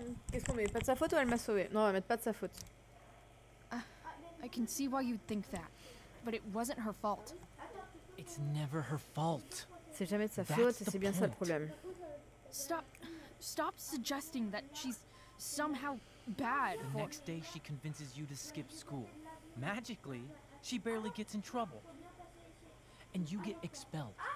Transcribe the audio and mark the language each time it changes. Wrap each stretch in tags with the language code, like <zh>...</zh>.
<fr>Qu'est-ce qu'on met? Pas de sa faute ou elle m'a sauvé? Non, on va mettre pas de sa faute.</fr> <en>I can see why you'd think that, but it wasn't her fault. It's never her fault.</en> <fr>C'est jamais de sa faute, et c'est bien ça le problème.</fr> <en>Stop suggesting that she's somehow bad. The next day, she convinces you to skip school. Magically, she barely gets in trouble, and you get expelled.</en>